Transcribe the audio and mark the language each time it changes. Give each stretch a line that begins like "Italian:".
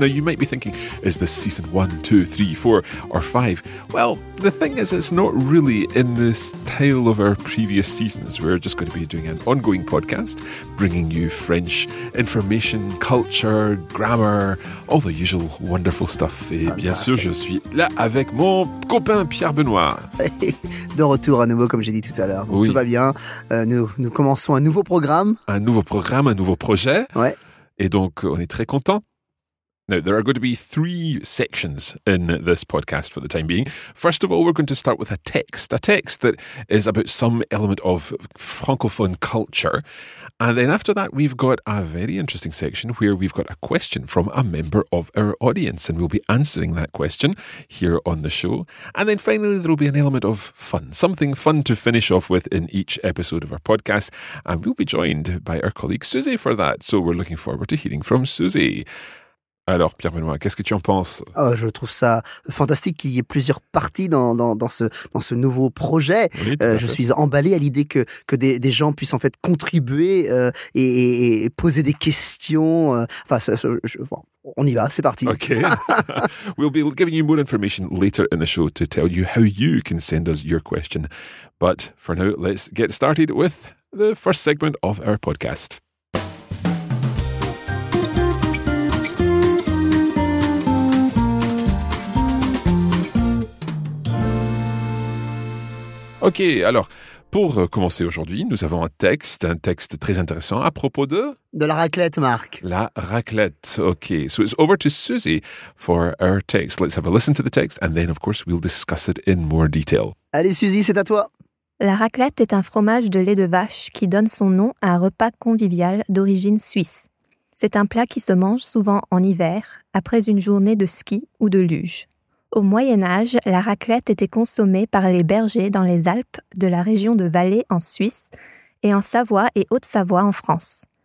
English: Now, you might be thinking, is this season 1, 2, 3, 4, or 5? Well, the thing is, it's not really in the style of our previous seasons. We're just going to be doing an ongoing podcast, bringing you French information, culture, grammar, all the usual wonderful stuff.
French: Et
English: fantastic.
French: Bien sûr, je suis là avec mon copain Pierre Benoît. De retour à nouveau, comme j'ai dit tout à l'heure. Oui. Tout va bien. Nous commençons un nouveau programme. Un nouveau projet. Ouais. Et donc, on est très contents.
English: Now, there are going to be three sections in this podcast for the time being. First of all, we're going to start with a text that is about some element of francophone culture. And then after that, we've got a very interesting section where we've got a question from a member of our audience, and we'll be answering that question here on the show. And then finally, there'll be an element of fun, something fun to finish off with in each episode of our podcast. And we'll be joined by our colleague Susie for that. So we're looking forward to hearing from Susie.
French: Alors, Pierre-Benoît, qu'est-ce que tu en penses? Oh, je trouve ça fantastique qu'il y ait plusieurs parties dans ce nouveau projet. Oui, je suis emballé à l'idée que des gens puissent en fait contribuer et poser des questions. On y va, c'est parti.
English: Okay. We'll be giving you more information later in the show to tell you how you can send us your question. But for now, let's get started with the first segment of our podcast.
French: Ok, alors, pour commencer aujourd'hui, nous avons un texte très intéressant à propos de... De la raclette, Marc. La raclette, ok.
English: So it's over to Susie for our text. Let's have a listen to the text and then, of course, we'll discuss it in more detail.
French: Allez, Susie, c'est à toi. La raclette est un fromage de lait de vache qui donne son nom à un repas convivial d'origine suisse. C'est un plat qui se mange souvent en hiver, après une journée de ski ou de luge. Au Moyen-Âge, la raclette était consommée par les bergers dans les Alpes de la région de Valais en Suisse et en Savoie et Haute-Savoie en France.